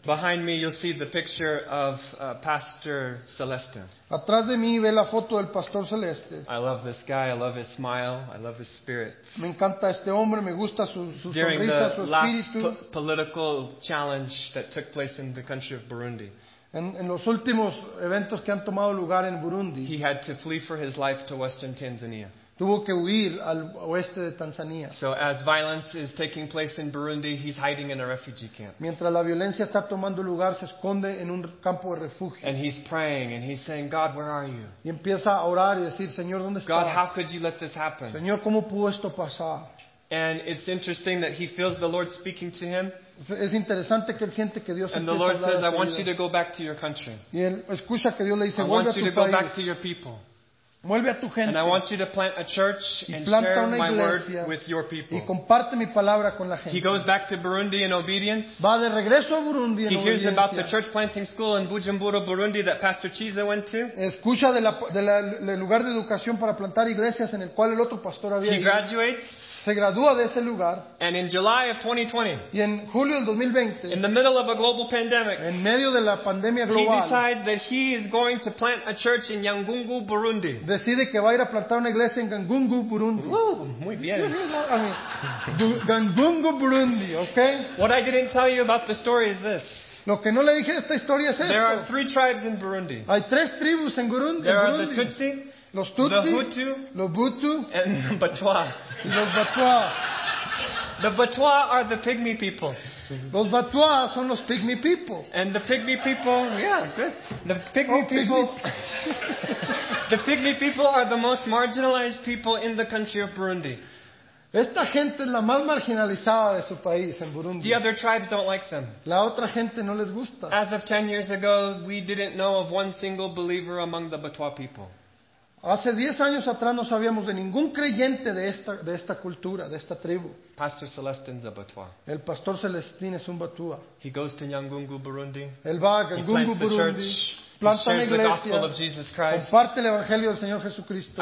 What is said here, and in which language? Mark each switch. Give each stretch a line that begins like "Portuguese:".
English: Behind me, you'll see the picture of Pastor Celeste.
Spanish: Atrás de mí ve la foto del Pastor Celeste.
English: I love this guy. I love his smile. I love his spirit.
Spanish: Me encanta este hombre. Me gusta su sonrisa,
English: during
Spanish: su espíritu.
English: During the last political challenge that took place in the country of Burundi.
Spanish: En los últimos eventos que han tomado lugar en Burundi.
English: He had to flee for his life to Western Tanzania.
Spanish: Tuvo que huir al oeste de Tanzania.
English: So as violence is taking place in Burundi, he's hiding in a refugee camp.
Spanish: Mientras la violencia está tomando lugar, se esconde en un campo de refugio.
English: And he's praying and he's saying, God, where are you?
Spanish: Y empieza a orar y decir, Señor, ¿dónde estás?
English: God, how could you let this happen?
Spanish: Señor, ¿cómo pudo esto pasar?
English: And it's interesting that he feels the Lord speaking to him.
Spanish: Es interesante que él siente que Dios
English: and the Lord says, I want you to go back to your country.
Spanish: Y él escucha que Dios le dice,
English: I want you to go back to your people.
Spanish: Vuelve a tu gente.
English: And I want you to plant a church and share
Spanish: una iglesia
English: my word with your people.
Spanish: Y comparte mi palabra con la gente.
English: He goes back to Burundi in obedience.
Spanish: Va de regreso a Burundi en
English: he
Spanish: obediencia.
English: Hears about the church planting school in Bujumbura, Burundi that Pastor Chiza went to.
Spanish: Escucha del lugar de educación para plantar iglesias en el cual el otro pastor había
English: he
Spanish: ido.
English: Graduates.
Spanish: Se gradúa de ese lugar.
English: And in July of 2020.
Spanish: Y en julio del 2020.
English: In the middle of a global pandemic.
Spanish: En medio de la pandemia global.
English: He decides that he is going to plant a church in Yangungu, Burundi.
Spanish: Decide que va a ir a plantar una iglesia en Gangungu, Burundi. Muy bien. Gangungu, Burundi, okay?
English: What I didn't tell you about the story is this.
Spanish: Lo que no le dije esta historia es esto.
English: There are three tribes in Burundi.
Spanish: Hay tres tribus en Burundi.
English: There are the Tutsi,
Spanish: los Tutsi,
English: the Hutu,
Spanish: los Butu,
English: and the Batwa.
Spanish: Los Batwa.
English: The Batwa are the pygmy people.
Spanish: Los Batwa son los
English: pygmy people. And the pygmy people, yeah, good. The pygmy people. The pygmy people are the most marginalized people in the country of Burundi.
Spanish: Esta gente es la más marginalizada de su país en Burundi.
English: The other tribes don't like them.
Spanish: La otra gente no les gusta.
English: As of 10 years ago, we didn't know of one single believer among the Batwa people.
Spanish: Hace 10 años atrás no sabíamos de ningún creyente de esta cultura, de esta tribu.
English: Pastor Celestine's a Batwa.
Spanish: El pastor Celestín es un Batwa.
English: He goes to Nyangungu, Burundi.
Spanish: Él va a Nyangungu, Burundi. Planta
English: shares
Spanish: una iglesia.
English: The gospel of Jesus Christ.
Spanish: Comparte el evangelio del Señor Jesucristo.